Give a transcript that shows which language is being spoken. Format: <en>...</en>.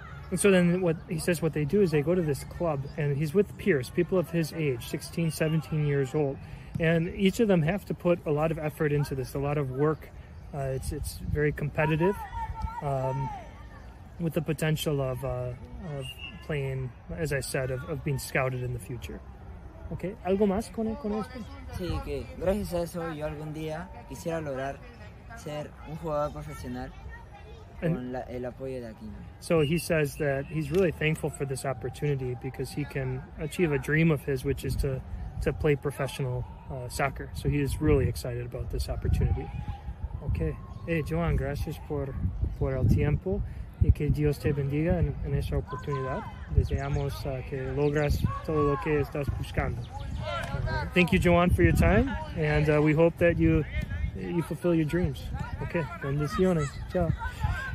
<en>And so then what he says what they do is they go to this club and he's with peers, people of his age, 16, 17 years old. And each of them have to put a lot of effort into this, a lot of work. It's very competitive with the potential of playing, as I said, of being scouted in the future.</en> <es>Okay, ¿algo más con esto? Sí, que gracias a eso yo algún día quisiera lograr ser un jugador profesional. And el apoyo de aquí.</es> <en>So he says that he's really thankful for this opportunity because he can achieve a dream of his, which is to play professional soccer. So he is really excited about this opportunity. Okay.</en> <es>Hey, Jhoan, gracias por el tiempo y que Dios te bendiga en esa oportunidad. Deseamos que logras todo lo que estás buscando.</es> <en>Thank you, Jhoan, for your time, and we hope that you fulfill your dreams. Okay.</en> <es>Bendiciones.</es> <en>Ciao.</en>